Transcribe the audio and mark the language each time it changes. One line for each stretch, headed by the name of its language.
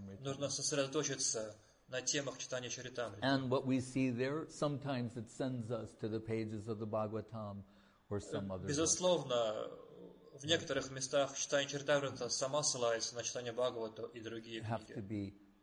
Russian: Нужно сосредоточиться на темах Чайтанья Чаритамриты.
English: And what we see there, sometimes it sends us to the pages of the Bhagavatam.
Russian: Безусловно, в некоторых местах Чайтанья Чаритамрита сама ссылается на Чайтанья Бхагавату и другие книги.